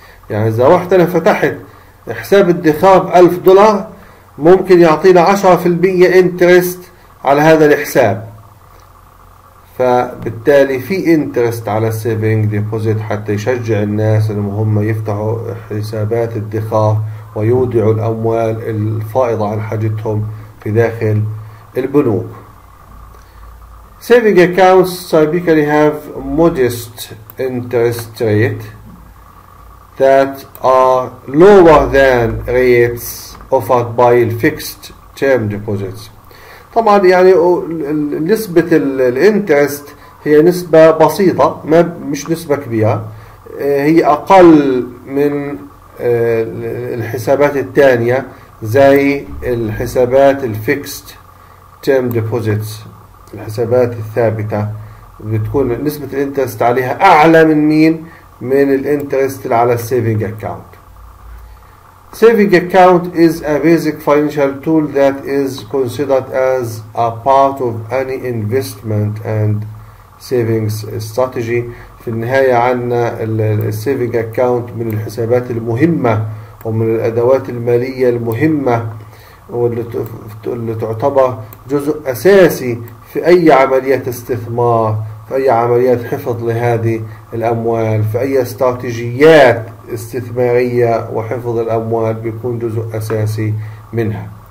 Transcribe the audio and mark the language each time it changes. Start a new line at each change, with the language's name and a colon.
Arabic: يعني إذا رحت أنا فتحت حساب ادخار بألف دولار ممكن يعطينا 10% interest على هذا الحساب، فبالتالي في interest على saving deposit حتى يشجع الناس المهمة يفتحوا حسابات ادخار ويودعوا الأموال الفائضة عن حاجتهم في داخل البنوك.
English: Saving accounts typically have modest interest rate that are lower than rates offered by fixed term deposits.
Arabic: طبعا يعني نسبة الانترست هي نسبة بسيطة، ما مش نسبة كبيرة، هي أقل من الحسابات الثانية زي الحسابات الفيكست تيرم ديبوزيتس. الحسابات الثابتة بتكون نسبة الانترست عليها أعلى من مين؟ من الانترست على السيفينج أكاونت.
English: Saving account is a basic financial tool that is considered as a part of any investment and savings strategy.
Arabic: في النهاية عنا السيفنج اكاونت من الحسابات المهمة ومن الأدوات المالية المهمة واللي تعتبر جزء أساسي في أي عمليات استثمار، في أي عمليات حفظ لهذه الأموال، في أي استراتيجيات استثمارية وحفظ الأموال بيكون جزء أساسي منها.